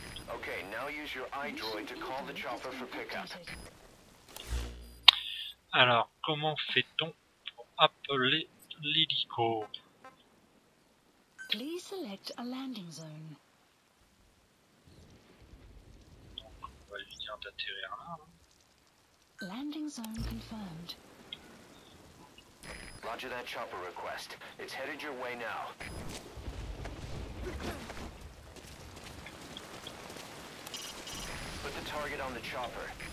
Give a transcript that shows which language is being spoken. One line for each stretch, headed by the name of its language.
English: Okay, now use your iDroid to call the chopper for pickup.
French: Alors, comment fait-on? Appeler l'hélico.
English: Please select a landing zone.
French: Donc on va lui dire d'atterrir là.
English: Landing zone confirmed. Roger that chopper request. It's headed your way now. Put the target on the chopper.